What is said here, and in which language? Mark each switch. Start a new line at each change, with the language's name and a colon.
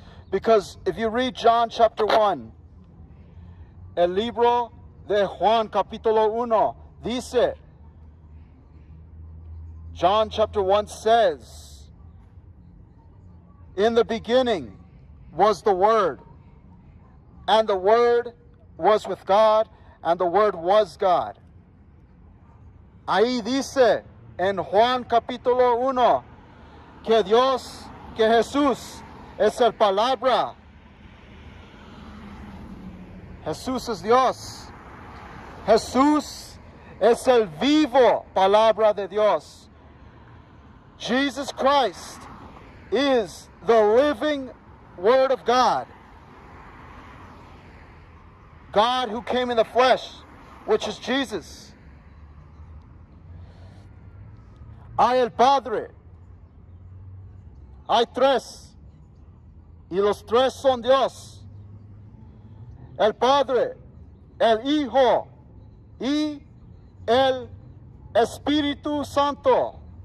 English: Because if you read John chapter 1,
Spanish: el libro de Juan capítulo 1 dice,
English: John chapter 1 says, in the beginning was the Word, and the Word was with God, and the Word was God.
Spanish: Ahí dice en Juan capítulo 1 que Dios, que Jesús es el palabra. Jesús es Dios. Jesús es el vivo palabra de Dios.
English: Jesus Christ is the living Word of God. God who came in the flesh, which is Jesus.
Spanish: Hay el Padre, hay tres, y los tres son Dios, el Padre, el Hijo, y el Espíritu Santo.